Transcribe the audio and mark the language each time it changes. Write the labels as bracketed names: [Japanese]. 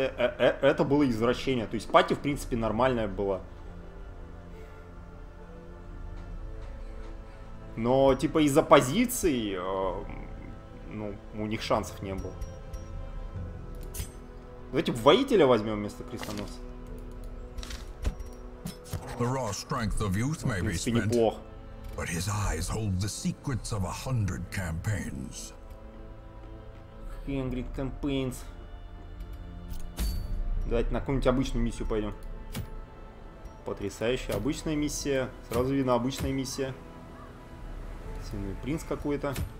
[Russian] Это было извращение. То есть пати, в принципе, нормальная была. Но, типа, из-за позиций, ну, у них шансов не было. Давайте воителя возьмем вместо крестоносца. [English] The raw strength of youth may be spent, but his eyes hold the secrets of 100 campaigns. Hungry campaigns. [Russian] Давайте на какую-нибудь обычную миссию пойдем. Потрясающая обычная миссия. Сразу видно, обычная миссия. Сильный принц какой-то.